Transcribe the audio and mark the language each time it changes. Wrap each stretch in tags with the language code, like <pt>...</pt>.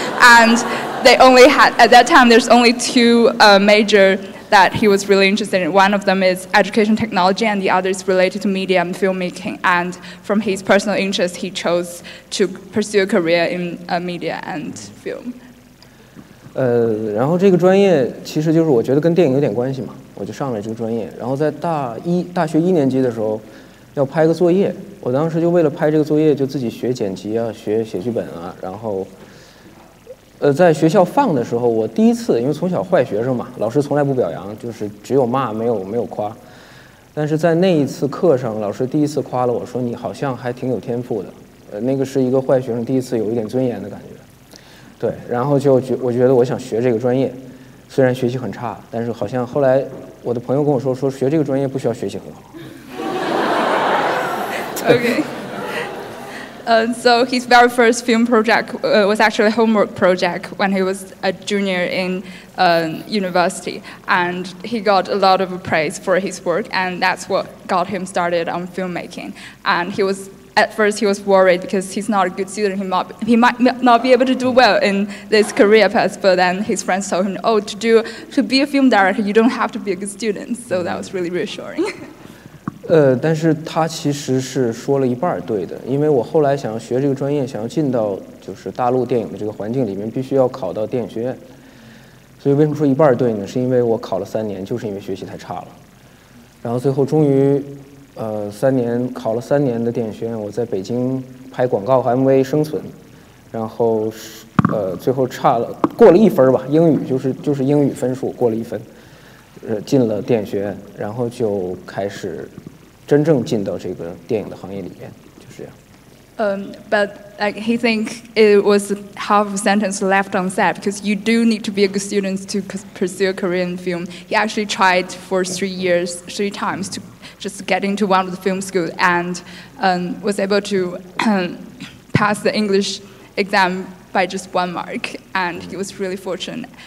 <en>And they only had, at that time, there's only two major that he was really interested in. One of them is education technology, and the other is related to media and filmmaking. And from his personal interest, he chose to pursue a career in media and film.</en> <zh>然后这个专业其实就是我觉得跟电影有点关系嘛，我就上了这个专业。然后在大学一年级的时候，要拍个作业，我当时就为了拍这个作业，就自己学剪辑啊，学写剧本啊。然后，在学校放的时候，我第一次，因为从小坏学生嘛，老师从来不表扬，就是只有骂，没有夸。但是在那一次课上，老师第一次夸了我说：“你好像还挺有天赋的。” 那个是一个坏学生第一次有一点尊严的感觉。对，然后就我觉得我想学这个专业，虽然学习很差，但是好像后来我的朋友跟我说学这个专业不需要学习很好。</zh> <en>OK. So his very first film project was actually a homework project when he was a junior in university, and he got a lot of praise for his work, and that's what got him started on filmmaking. And he was. At first, he was worried because he's not a good student. He might not be able to do well in this career path. But then his friends told him, "Oh, to be a film director, you don't have to be a good student." So that was really reassuring.</en> <zh>但是他其实是说了一半对的，因为我后来想要学这个专业，想要进到就是大陆电影的这个环境里面，必须要考到电影学院。所以为什么说一半对呢？是因为我考了三年，就是因为学习太差了，然后最后终于。三年考了三年的电影学院，我在北京拍广告和 MV 生存，然后最后差了过了一分吧，英语就是英语分数过了一分，进了电影学院，然后就开始真正进到这个电影的行业里面，就是这样。</zh> <en>But like he think it was half a sentence left unsaid because you do need to be a good student to pursue a career in film. He actually tried for three times to. Just get into one of the film schools and was able to pass the English exam by just one mark, and he was really fortunate.</en>